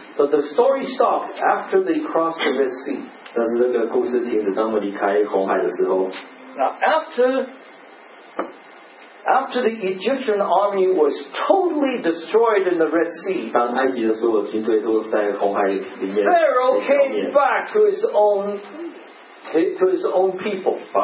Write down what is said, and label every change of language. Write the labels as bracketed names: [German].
[English] But the story stopped after they crossed the Red Sea. [Chinese] 但是这个故事停止当我们离开红海的时候。 [English] Now after the Egyptian army was totally destroyed in the Red Sea, Pharaoh came back to his own people.